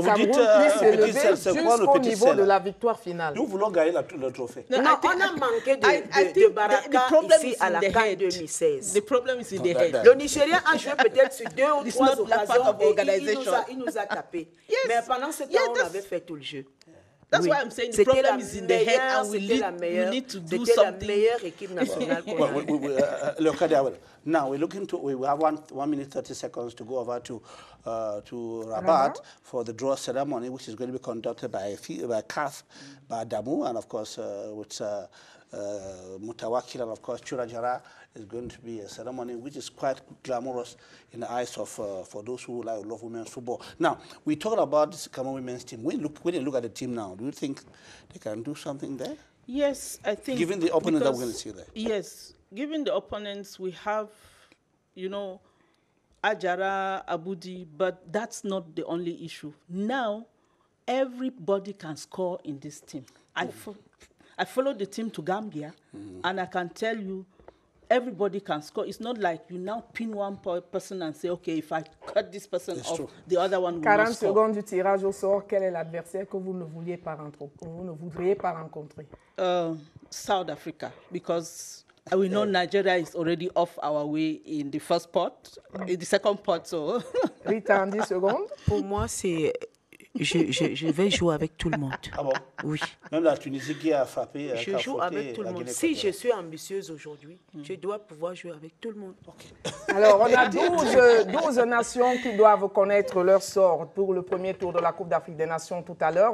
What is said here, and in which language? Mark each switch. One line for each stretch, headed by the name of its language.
French: le Cameroun puisse se lever jusqu'au niveau sel de la victoire finale? Nous voulons gagner le trophée. On a manqué de Baraka ici à la CAN 2016. Le problème est le
English: head.
French: Le Nigeria a joué peut-être sur deux ou trois occasions et il nous a tapé. Mais pendant ce temps, on avait fait tout le jeu.
English: That's why I'm saying the problem is in the head, and we need to do something.
French: C'était la meilleure équipe nationale.
English: Now we're looking to. We have 1 minute 30 seconds to go over to Rabat for the draw ceremony, which is going to be conducted by CAF, by Damu, and of course with Mutawakil, and of course Chura Jara. Is going to be a ceremony which is quite glamorous in the eyes of for those who love women's football. Now, we talked about the Cameroon women's team. When you look at the team now, do you think they can do something there? Yes, I think. Given the opponents that we're going to see there. Yes, given the opponents, we have, you know, Ajara, Abudi, but that's not the only issue. Now, everybody can score in this team. I followed the team to Gambia, and I can tell you, everybody can score. It's not like you now pin one person and say, okay, if I cut this person off, the other one will not score.
French: 40 secondes du tirage au sort, quel est l'adversaire que vous ne vouliez pas rentrer, que vous ne voudriez pas rencontrer?
English: South Africa, because we know Nigeria is already off our way in the first pot, in the second pot, so.
French: Rita, 10 secondes. Pour moi, c'est je vais jouer avec tout le monde. Ah bon? Oui. Même la Tunisie qui a frappé. Je joue avec tout le monde. Si je suis ambitieuse aujourd'hui, je dois pouvoir jouer avec tout le monde.
English: Okay.
French: Alors, on a 12 nations qui doivent connaître leur sort pour le premier tour de la Coupe d'Afrique des Nations tout à l'heure.